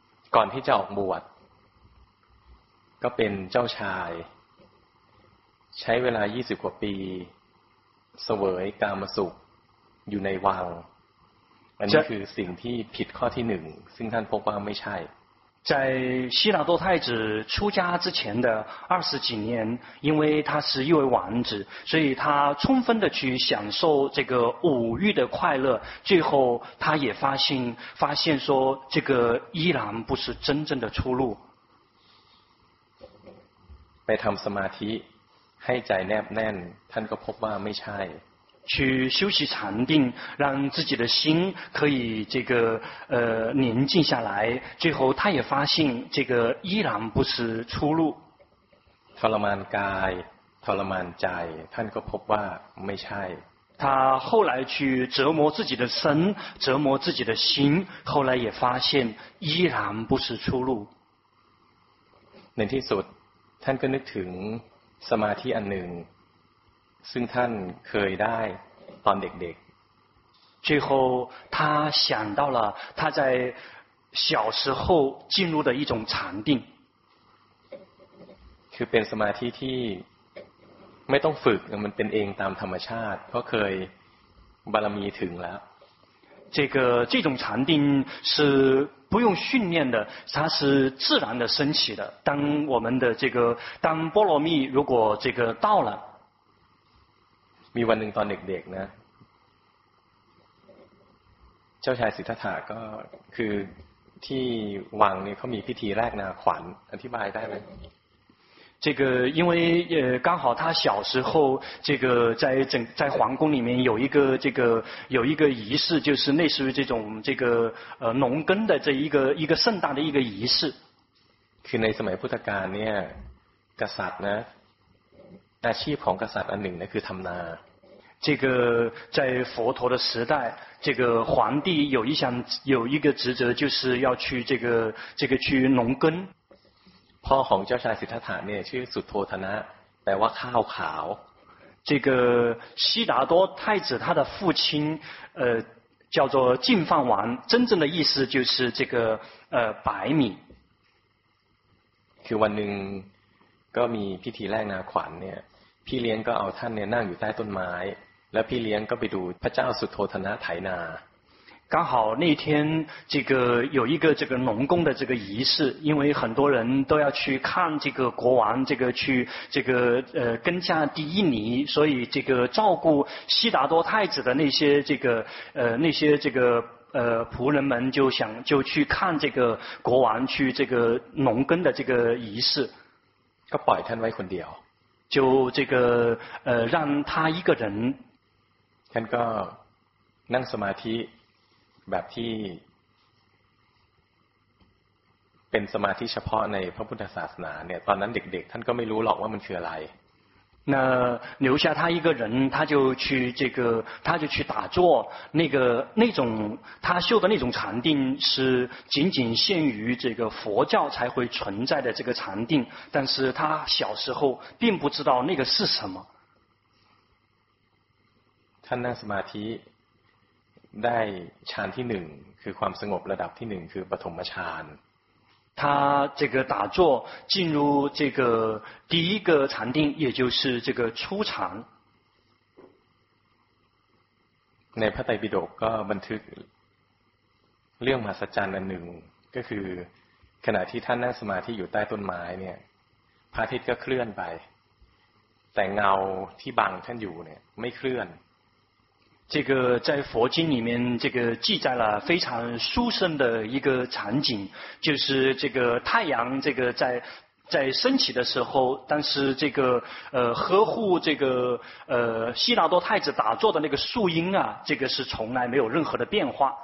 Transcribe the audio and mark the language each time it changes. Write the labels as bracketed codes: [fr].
[th] ก่อนที่จะออกบวชก็เป็นเจ้าชายใช้เวลา20กว่าปีเสวยกามสุขอยู่ในวังอันนี้คือสิ่งที่ผิดข้อที่หนึ่งซึ่งท่านพบว่าไม่ใช่ [zh] 在悉达多太子出家之前的二十几年，因为他是一位王子，所以他充分的去享受这个五欲的快乐。最后，他也发现说，这个依然不是真正的出路。 [th] ไปทำสมาธิให้ใจแนบแน่นท่านก็พบว่าไม่ใช่ [zh] 去休息禅定，让自己的心可以这个宁静下来。最后，他也发现这个依然不是出路。 [th] ทรมานกาย ทรมานใจ ท่านก็พบว่าไม่ใช่。 [zh] 他后来去折磨自己的身，折磨自己的心，后来也发现依然不是出路。 [th] ในที่สุดท่านก็นึกถึงสมาธิอันหนึ่งซึ่งท่านเคยได้ตอนเด็ก [zh] ๆ最后他想到了他在小时候进入的一种禅定 [th] คือเป็นสมาธิที่ไม่ต้องฝึกมันเป็นเองตามธรรมชาติเพราะเคยบารมีถึงแล้ว [zh] 这种禅定是不用训练的，它是自然的升起的。当我们的这个当波罗蜜如果这个到了 [th] มีวันหนึ่งตอนเด็กๆนะเจ้าชายสิทธัตถะก็คือที่วังนี่เขามีพิธีแรกนาขวัญอธิบายได้ไหม [zh] 这个因为刚好他小时候这个在整在皇宫里面有一个这个有一个仪式就是类似于这种这个农耕的这一个盛大的一个仪式 [th] คือในสมัยพุทธกาลเนี่ยกษัตริย์นะอาชีพของกษัตริย์อันหนึ่งนะคือทำนา [zh] 这个在佛陀的时代，这个皇帝有一项有一个职责，就是要去这个去农耕。 [th] พ่อของเจ้าชายสิทธัตถะเนี่ยชื่อสุทโธทนะแปลว่าข้าวขาว [zh] 这个悉达多太子他的父亲叫做净饭王，真正的意思就是这个白米。 [th] คือวันหนึ่งก็มีพิธีแรกนาขวัญเนี่ยพี่เลี้ยงก็เอาท่านเนี่ยนั่งอยู่ใต้ต้นไม้แล้วพี่เลี้ยงก็ไปดูพระเจ้าสุทโธทนะไถนา [zh] 刚好那天这个有一个这个农耕的这个仪式因为很多人都要去看这个国王这个去这个耕下第一犁所以这个照顾悉达多太子的那些这个那些这个仆人们就想就去看这个国王去这个农耕的这个仪式 [th] ก็ปล่อยท่านไว้คนเดียว [zh] 就这个让他一个人 [th] ท่านก็นั่งสมาธิแบบที่เป็นสมาธิเฉพาะในพระพุทธศาสนาเนี่ยตอนนั้นเด็กๆท่านก็ไม่รู้หรอกว่ามันคืออะไร [zh] 那留下他一个人他就去这个他就去打坐那个那种他修的那种禅定是仅仅限于这个佛教才会存在的这个禅定但是他小时候并不知道那个是什么 [th] ท่านนั่งสมาธิได้ฌานที่หนึ่งคือความสงบระดับที่หนึ่งคือปฐมฌาน [zh] 他这个打坐进入这个第一个禅定也就是这个初禅 [th] ในพระไตรปิฎกก็บันทึกเรื่องมหัศจรรย์อันหนึ่งก็คือขณะที่ท่านนั่งสมาธิอยู่ใต้ต้นไม้เนี่ยพระอาทิตย์ก็เคลื่อนไปแต่เงาที่บังท่านอยู่เนี่ยไม่เคลื่อน [zh] 这个在佛经里面这个记载了非常殊胜的一个场景就是这个太阳这个在升起的时候但是这个呵护这个悉达多太子打坐的那个树荫啊这个是从来没有任何的变化